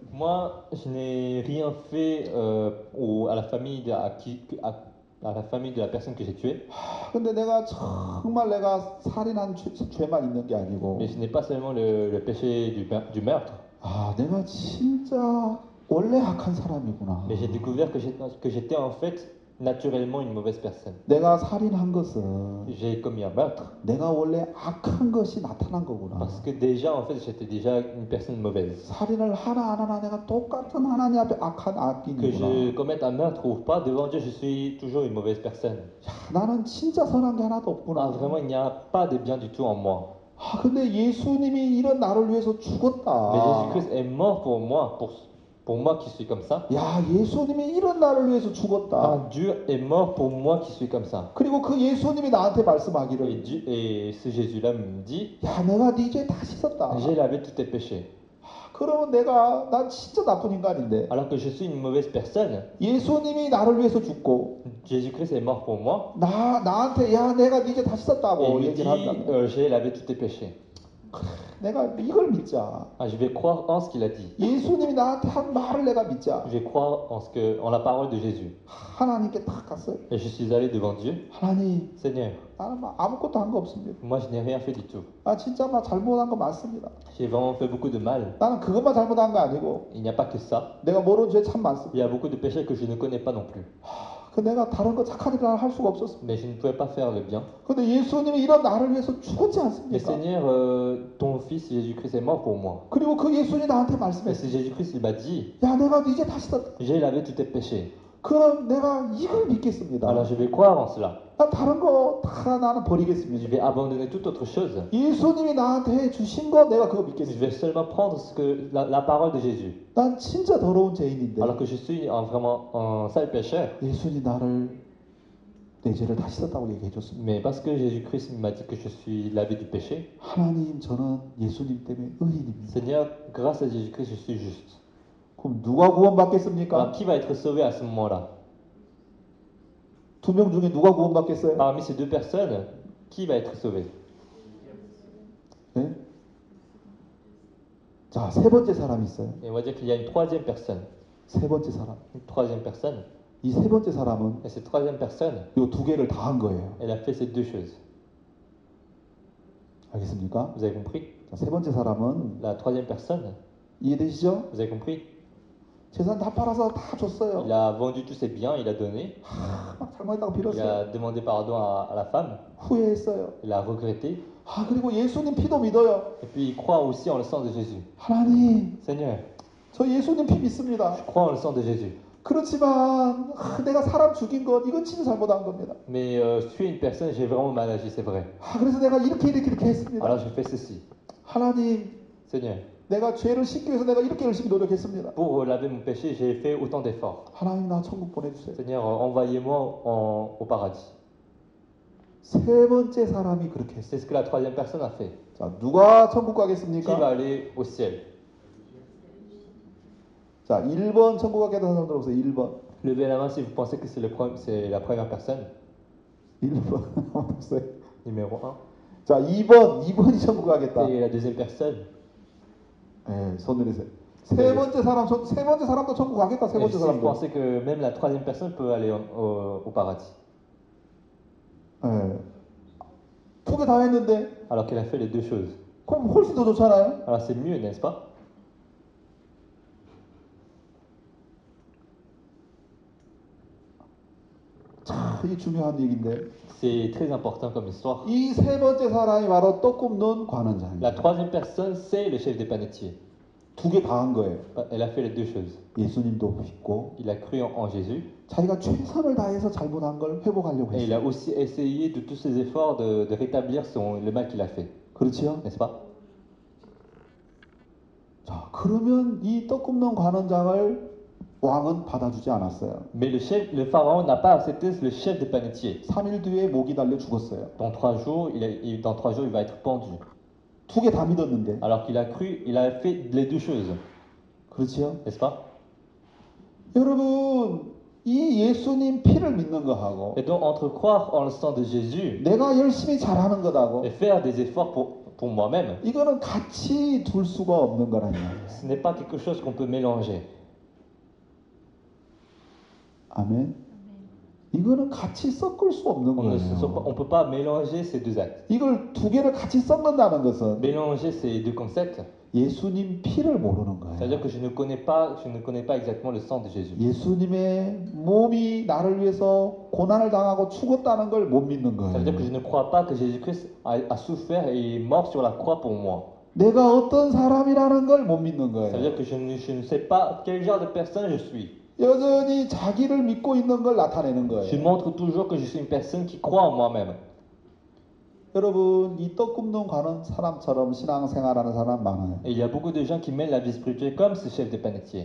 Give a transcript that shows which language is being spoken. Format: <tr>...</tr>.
<fr>Moi, je n'ai rien fait à la famille de la personne que j'ai tuée.</fr> <ko>근데 내가 정말 내가 살인한 죄만 있는 게 아니고.</ko> <fr>Mais ce n'est pas seulement le péché du meurtre.</fr> <ko>아, 내가 진짜 원래 악한 사람이구나.</ko> <fr>Mais j'ai découvert que j'étais en fait naturellement une mauvaise personne.</fr> <ko>내가 살인한 것은.</ko> <fr>J'ai commis un meurtre.</fr> <ko>내가 원래 악한 것이 나타난 거구나.</ko> <fr>Parce que déjà en fait j'étais déjà une personne mauvaise.</fr> <ko>살인을 하나 안 하나 내가 똑같은 하나님 앞에 악한 악인이구나.</ko> <fr>Que je commette un meurtre ou pas devant Dieu je suis toujours une mauvaise personne.</fr> <ko>야, 나는 진짜 선한 게 하나도 없구나.</ko> <fr>Ah, vraiment il n'y a pas de bien du tout en moi.</fr> <ko>아, 근데 예수님이 이런 나를 위해서 죽었다.</ko> <fr>Mais Jésus-Christ est mort pour moi pour moi qui suis comme ça.</fr> <ko>야, 예수님이 이런 나를 위해서 죽었다.</ko> <fr>Ah, Dieu est mort pour moi qui suis comme ça.</fr> <ko>그리고 그 예수님이 나한테 말씀하기를.</ko> <fr>Et ce Jésus-là me dit.</fr> <ko>야, 내가 네 죄 다 씻었다.</ko> <fr>J'ai lavé tous tes péchés.</fr> <ko>그러면 내가 난 진짜 나쁜 인간인데.</ko> <fr>Alors que je suis une mauvaise personne.</fr> <ko>예수님이 나를 위해서 죽고.</ko> <fr>Jésus-Christ est mort pour moi.</fr> <ko>나한테 야, 내가 네 죄 다 씻었다고 얘기를 한다.</ko> <fr>J'ai lavé tous tes péchés.</fr> <ko>내가 이걸 믿자.</ko> <fr>Ah, je vais croire en ce qu'il a dit.</fr> <ko>예수님이 나한테 한 말을 내가 믿자.</ko> <fr>Je vais croire en ce que en la parole de Jésus.</fr> <ko>하나님께 딱 갔어요.</ko> <fr>Et je suis allé devant Dieu.</fr> <ko>하나님.</ko> <fr>Seigneur.</fr> <ko>나는 아무것도 한 거 없습니다.</ko> <fr>Moi, je n'ai rien fait du tout.</fr> <ko>아, 진짜 나 잘못한 거 맞습니다.</ko> <fr>J'ai vraiment fait beaucoup de mal.</fr> <ko>나는 그것만 잘못한 거 아니고.</ko> <fr>Il n'y a pas que ça.</fr> <ko>내가 모르는 죄 참 많습니다.</ko> <fr>Il y a beaucoup de péchés que je ne connais pas non plus.</fr> <ko>그 내가 다른 거 착한 일을 할 수가 없었습니다.</ko> <fr>Mais je ne pouvais pas faire le bien.</fr> <ko>근데 예수님이 이런 나를 위해서 죽었지 않습니까?</ko> <fr>Mais Seigneur, ton fils Jésus-Christ est mort pour moi.</fr> <ko>그리고 그 예수님이 나한테 말씀했어요.</ko> <fr>Et Jésus-Christ, il m'a dit.</fr> <ko>야, 내가 이제 다시 다.</ko> <fr>J'ai lavé tous tes péchés.</fr> <ko>그럼 내가 이걸 믿겠습니다.</ko> <fr>Alors je vais croire en cela.</fr> <ko>나 다른 거 다 나는 버리겠습니다.</ko> <fr>Je vais abandonner toute autre chose.</fr> <ko>예수님이 나한테 주신 거 내가 그거 믿겠습니다.</ko> <fr>Je vais seulement prendre ce que la parole de Jésus.</fr> <ko>난 진짜 더러운 죄인인데.</ko> <fr>Alors que je suis vraiment un sale pécheur.</fr> <ko>예수님 나를 내 죄를 다 씻었다고 얘기해 줬습니다.</ko> <fr>Mais parce que Jésus-Christ m'a dit que je suis lavé du péché.</fr> <ko>하나님 저는 예수님 때문에 의인입니다.</ko> <fr>Seigneur, grâce à Jésus-Christ, je suis juste.</fr> <ko>그럼 누가 구원받겠습니까?</ko> <fr>Alors, qui va être sauvé à ce moment-là?</fr> <ko>두 명 중에 누가 구원받겠어요?</ko> <fr>Parmi ces deux personnes, qui va être sauvé?</fr> <ko>네? 자, 세 번째 사람이 있어요.</ko> <fr>Et on va dire qu'il y a une troisième personne.</fr> <ko>세 번째 사람.</ko> <fr>Une troisième personne.</fr> <ko>이 세 번째 사람은</ko> <fr>Et cette troisième personne.</fr> <ko>요 두 개를 다 한 거예요.</ko> <fr>Elle a fait ces deux choses.</fr> <ko>알겠습니까?</ko> <fr>Vous avez compris?</fr> <ko>자, 세 번째 사람은</ko> <fr>La troisième personne.</fr> <ko>이해되시죠?</ko> <fr>Vous avez compris?</fr> <ko>재산 다 팔아서 다 줬어요.</ko> <fr>Il a vendu tous ses biens, il a donné.</fr> <ko>잘못했다고 빌었어요.</ko> <fr>Il a demandé pardon à la femme.</fr> <ko>후회했어요.</ko> <fr>Il a regretté.</fr> <ko>아, 그리고 예수님 피도 믿어요.</ko> <fr>Et puis il croit aussi en le sang de Jésus.</fr> <ko>하나님.</ko> <fr>Seigneur.</fr> <ko>저 예수님 피 믿습니다.</ko> <fr>Je crois en le sang de Jésus.</fr> <ko>그렇지만 내가 사람 죽인 것 이건 진짜 잘못한 겁니다.</ko> <fr>Mais tuer une personne, j'ai vraiment mal agi, c'est vrai.</fr> <ko>아, 그래서 내가 이렇게 했습니다.</ko> <fr>Alors j'ai fait ceci.</fr> <ko>하나님.</ko> <fr>Seigneur.</fr> <ko>내가 죄를 씻기 위해서 내가 이렇게 열심히 노력했습니다.</ko> <fr>Pour laver mon péché, j'ai fait autant d'efforts.</fr> <ko>하나님 나 천국 보내주세요.</ko> <fr>Seigneur, envoyez-moi au paradis.</fr> <ko>세 번째 사람이 그렇게 했어요.</ko> <fr>C'est ce que la troisième personne a fait.</fr> <ko>자, 누가 천국 가겠습니까?</ko> <fr>Qui va aller au ciel?</fr> <ko>자, 1번 천국 가겠다 하는 사람 들어보세요. 1번.</ko> <fr>Levez la main si vous pensez que c'est la première personne.</fr> <ko>1번.</ko> <fr>Numéro 1.</fr> <ko>자, 2번이 천국 가겠다.</ko> <fr>Et la deuxième personne.</fr> <ko>예, 손 내리세요. 세 번째 사람, 세 번째 사람도 천국 가겠다. 세 번째 사람도.</ko> <fr>Je pense que même la troisième personne peut aller au paradis.</fr> <ko>예, 두 개 다 했는데.</ko> <fr>Alors qu'elle a fait les deux choses.</fr> <ko>그럼 훨씬 더 좋잖아요.</ko> <fr>Alors c'est mieux, n'est-ce pas?</fr> <ko>자, 이게 중요한 얘긴데.</ko> <fr>C'est très important comme histoire.</fr> <ko>이 세 번째 사람이 바로 또 꿈눈 관원장입니다.</ko> <fr>La troisième personne, c'est le chef des panetiers.</fr> <ko>두 개 다 한 거예요.</ko> <fr>Elle a fait les deux choses.</fr> <ko>예수님도 믿고.</ko> <fr>Il a cru en Jésus.</fr> <ko>자기가 최선을 다해서 잘못한 걸 회복하려고 했어요.</ko> <fr>Et il a aussi essayé de tous ses efforts de rétablir le mal qu'il a fait.</fr> <ko>그렇죠?</ko> <fr>N'est-ce pas?</fr> <ko>자, 그러면 이 또 꿈눈 관원장을 왕은 받아주지 않았어요.</ko> <fr>Mais le pharaon n'a pas accepté le chef des panetiers.</fr> <ko>3일 뒤에 목이 달려 죽었어요.</ko> <fr>Dans 3 jours, dans 3 jours, il va être pendu.</fr> <ko>두 개 다 믿었는데.</ko> <fr>Alors qu'il a cru, il a fait les deux choses.</fr> <ko>그렇지요?</ko> <fr>N'est-ce pas?</fr> <ko>여러분, 이 예수님 피를 믿는 거 하고.</ko> <fr>Et donc entre croire en le sang de Jésus.</fr> <ko>내가 열심히 잘하는 거다고.</ko> <fr>Et faire des efforts pour moi-même.</fr> <ko>이거는 같이 둘 수가 없는 거라니.</ko> <fr>Ce n'est pas quelque chose qu'on peut mélanger.</fr> <ko>아멘. 이거는 같이 섞을 수 없는 거예요.</ko> <fr>On peut pas mélanger ces deux actes.</fr> <ko>이걸 두 개를 같이 섞는다는 것은</ko> <fr>mélanger ces deux concepts.</fr> <ko>예수님 피를 모르는 거예요.</ko> <fr>C'est-à-dire que je ne connais pas exactement le sang de Jésus.</fr> <ko>예수님의 몸이 나를 위해서 고난을 당하고 죽었다는 걸 못 믿는 거예요.</ko> <fr>C'est-à-dire que je ne crois pas que Jésus-Christ a souffert et est mort sur la croix pour moi.</fr> <ko>내가 어떤 사람이라는 걸 못 믿는 거예요.</ko> <fr>C'est-à-dire que je ne sais pas quel genre de personne je suis.</fr> <ko>여전히 자기를 믿고 있는 걸 나타내는 거예요.</ko> <fr>Je montre toujours que je suis une personne qui croit en moi-même.</fr> <ko>여러분, 이 떡꿈눈 가는 사람처럼 신앙생활하는 사람 많아요.</ko> <fr>Il y a beaucoup de gens qui mènent la vie spirituelle comme ce chef des panetiers.</fr>